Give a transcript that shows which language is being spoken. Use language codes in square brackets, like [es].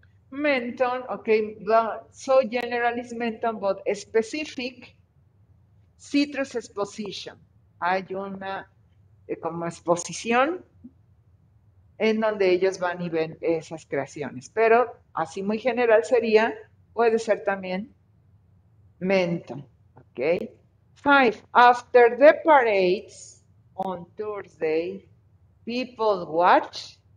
[en] Menton, ok, but so general is Menton, but specific Citrus Exposition. [es] Hay una como exposición en donde ellos van y ven esas creaciones, pero así muy general sería, puede ser también Menton, ok. [en] Five, after the parades on Thursday, people watch.